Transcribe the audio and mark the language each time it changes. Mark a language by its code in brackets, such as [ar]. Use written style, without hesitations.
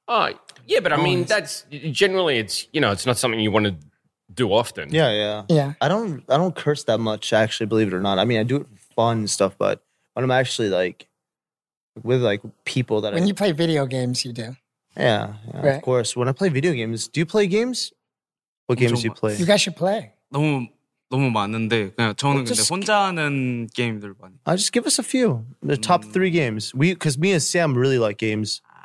[en] Oh, yeah, but I mean, that's generally it's, you know, it's not something you want to do often. Yeah, yeah. Yeah. I don't curse that much, actually, believe it or not. I mean, I do it for fun and stuff, but when I'm actually like with like people that When you play video games, you do. Yeah, right? Of course. When I play video games, do you play games? What games do you play? You guys should play. [ko] 너무 많은데 그냥 저는 well, 근데 혼자 하는 게임들 많이. [en] I just give us a few. The top 3 games. We cuz me and Sam really like games.